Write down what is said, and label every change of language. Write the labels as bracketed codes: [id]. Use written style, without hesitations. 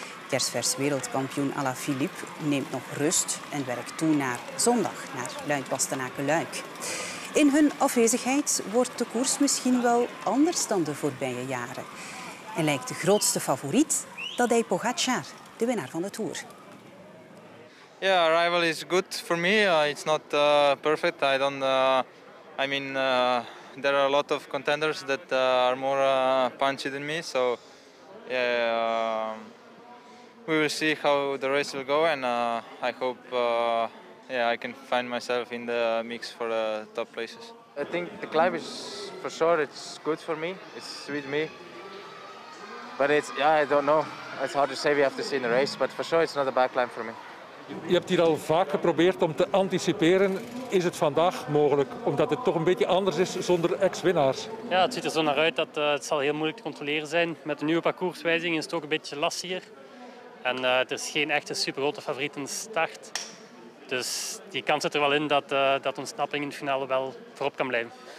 [nl] Kersvers wereldkampioen Alaphilippe neemt nog rust en werkt toe naar zondag, naar Luik-Bastenaken-Luik. In hun afwezigheid wordt de koers misschien wel anders dan de voorbije jaren. En lijkt de grootste favoriet Tadej Pogacar, de winnaar van de Tour. [en] Ja, yeah, arrival is good for me. It's not perfect. I don't. I mean, there are a lot of contenders that are more punchy than me. So, yeah, we will see how the race will go. And I hope, yeah, I can find myself in the mix for the top places. I think the climb is for sure. It's good for me. It's with me. But it's, yeah, I don't know. It's hard to say. We have to see in the race. But for sure, it's not a bad climb for me. [nl] Je hebt hier al vaak geprobeerd om te anticiperen. Is het vandaag mogelijk? Omdat het toch een beetje anders is zonder ex-winnaars. Ja, het ziet er zo naar uit dat het zal heel moeilijk te controleren zijn. Met de nieuwe parcourswijziging is het ook een beetje lastiger. En er is geen echte supergrote favoriet in de start. Dus die kans zit er wel in dat, dat ontsnapping in het finale wel voorop kan blijven.